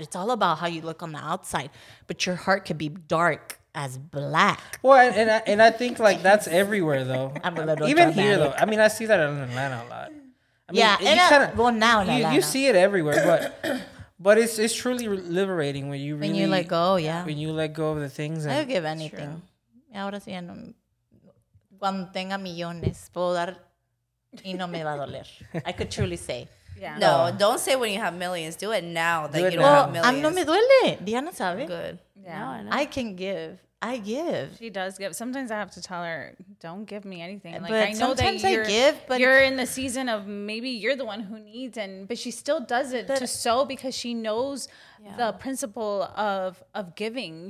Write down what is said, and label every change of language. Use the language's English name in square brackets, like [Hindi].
[English] It's all about how you look on the outside, but your heart could be dark as black. Well, and I think like that's everywhere though. I'm a little even dramatic. Here though. I mean, I see that in Atlanta a lot. I mean, yeah, now you see it everywhere, but it's truly liberating when you really when you let go. Yeah, when you let go of the things. I'll give anything. [Spanish] Ahora sí, cuando tenga millones puedo dar y no me va a doler. [English] I could truly say. Yeah. No, don't say when you have millions. Do it now that you don't have millions. [Spanish] No me duele. Diana sabe. [English] Good. Yeah. No, I can give. I give. She does give. Sometimes I have to tell her, don't give me anything. Like, but I know sometimes that you're, I give, but you're in the season of maybe you're the one who needs, but she still does it to sow because she knows the principle of giving.